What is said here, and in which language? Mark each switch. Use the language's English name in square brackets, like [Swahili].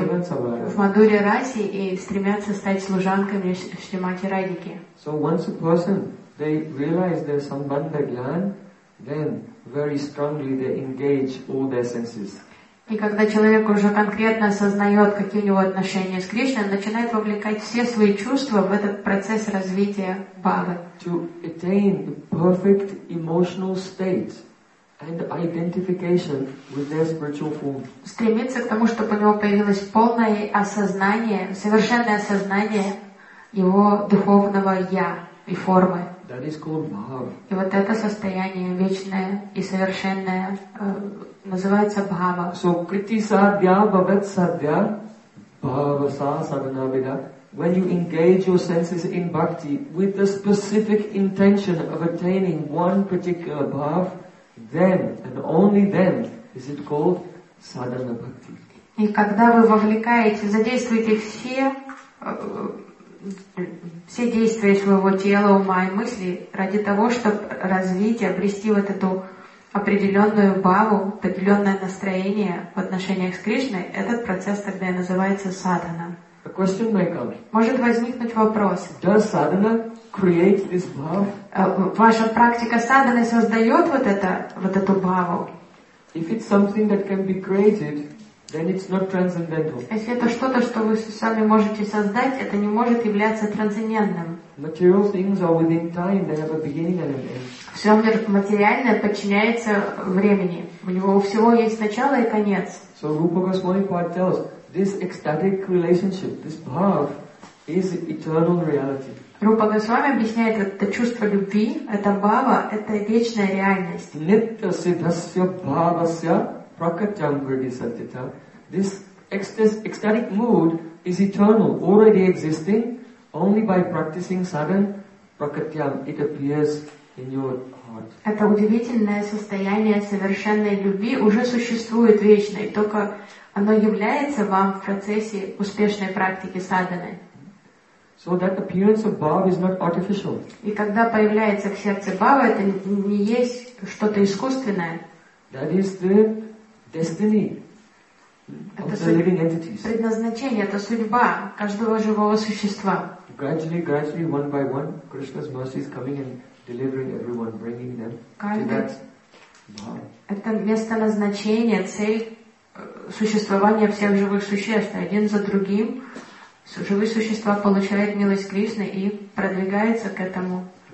[Russian] в Мадуре Раси и стремятся стать служанками Шримати Радики. [English] So once a person they realize their sambandha gyan, then very strongly they engage all their senses. [Russian] И когда человек уже конкретно осознает, какие у него отношения с Кришной, он начинает вовлекать все свои чувства в этот процесс развития бхавы. [English] To attain the perfect emotional state and identification with their spiritual form. [Russian] Стремиться к тому, чтобы у него появилось полное осознание, совершенное осознание его духовного я и формы. [English] That is called bhava. [Russian] И вот это состояние вечное и совершенное называется бхава. [Sanskrit] So kriti sadhya bhavat sadhya bhava sa sadhanavida. [English] When you engage your senses in bhakti with the specific intention of attaining one particular bhava, then and only then is it called sadhana bhakti. [Russian] И когда вы вовлекаете, задействуете все действия своего тела, ума и мысли ради того, чтобы развить и обрести вот эту определенную бхаву, определенное настроение в отношениях с Кришной, этот процесс тогда и называется садхана. [English] A question may come. [Russian] Может возникнуть вопрос. [English] Does sadhana create this bhava? [Russian] Ваша практика садханы создает вот это, вот эту бхаву? [English] If it's something that can be created, then it's not transcendental. [Russian] Если это что-то, что вы сами можете создать, это не может являться трансцендентным. [English] Material things are within time, they have a beginning and an end. [Russian] Все материальное подчиняется времени. У него у всего есть начало и конец. [English] So Rupa Goswami tells this ecstatic relationship, this bhav, is eternal reality. [Russian] Rupa Goswami объясняет, это чувство любви, это бхава, это вечная реальность. [Sanskrit] Nityasiddhasya bhavasya prakatyam vridhi satyata. [English] This ecstatic mood is eternal, already existing. Only by practicing sadhana prakatyam it appears in your heart. [Russian] Это удивительное состояние совершенной любви уже существует вечно, и только оно является вам в процессе успешной практики садханы. [English] So that appearance of bhava is not artificial. [Russian] И когда появляется в сердце бхава, это не есть что-то искусственное. [English] That is the destiny of the living entities. [Russian] Это предназначение, это судьба каждого живого существа. [English] Gradually, gradually, one by one, Krishna's mercy is coming and delivering everyone, bringing them to that bhava. [Russian] Это место назначения, цель существования всех живых существ. Один за другим живые существа получают милость Кришны и продвигаются к этому